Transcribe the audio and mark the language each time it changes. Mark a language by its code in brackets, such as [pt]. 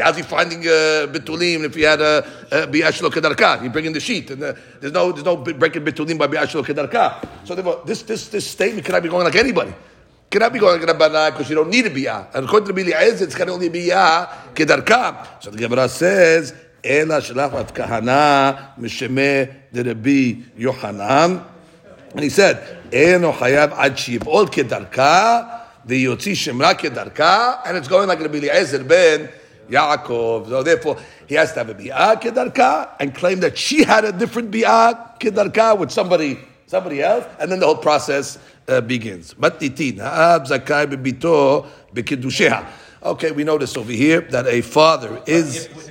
[en] How's he finding Betulim if he had a bi'ah shelo kedarka? He bring in the sheet. And there's no breaking Betulim by bi'ah shelo kedarka. So this statement cannot be going like anybody. Cannot be going like Rabbanah because you don't need a bi'ah. And according to Eliezer, it's going to only be bi'ah kedarka. So the Gemara says, [he] אלא שלח את כהנה משמה דרבי יוחנן. [en] And he said, [he] אינו חייב עד שיבעול כדרכה, ויוציא שמרה כדרכה, [en] and it's going like רבי אליעזר בן יעקב. So therefore, he has to have a ביעה כדרכה, and claim that she had a different ביעה כדרכה with somebody else, and then the whole process begins. [he] מתניתין, האב זכאי בביתו בקידושיה. [en] Okay, we notice over here that a father is...